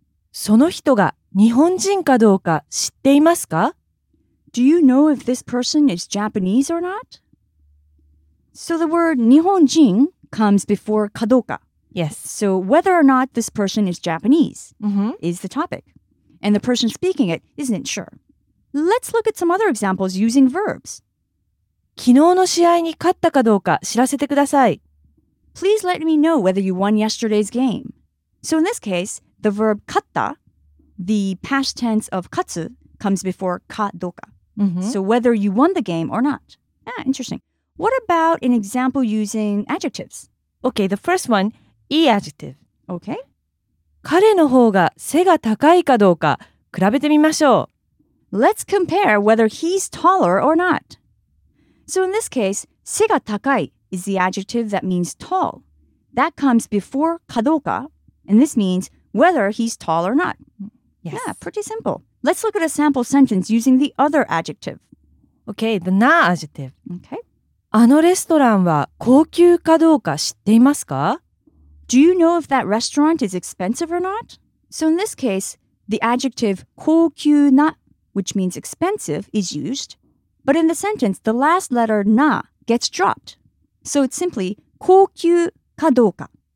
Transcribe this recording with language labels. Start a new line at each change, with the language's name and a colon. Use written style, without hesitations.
Japanese: その人が日本人かどうか知っていますか?
English: Do you know if this person is Japanese or not? So the word 日本人 comes before かどうか. Yes. So whether or not this person is Japanese is the topic. And the person speaking it isn't sure. Let's look at some other examples using verbs.
Japanese: 昨日の試合に勝ったかどうか知らせてください。
English: Please let me know whether you won yesterday's game. So in this case, the verb 勝った, the past tense of 勝つ, comes before かどうか. So whether you won the game or not. Ah, interesting. What about an example using adjectives? Okay, the first one, いい adjective. Okay.
Japanese: 彼の方が背が高いかどうか比べてみましょう。
English: Let's compare whether he's taller or not. So in this case, 背が高い is the adjective that means tall. That comes before かどうか, and this means whether he's tall or not. Yes. Yeah, pretty simple. Let's look at a sample sentence using the other adjective. Okay, the な adjective. Okay.
Japanese: あのレストランは高級かどうか知っていますか?
English: Do you know if that restaurant is expensive or not? So in this case, the adjective 高級な, which means expensive, is used. But in the sentence, the last letter na gets dropped. So it's simply 高級かどうか.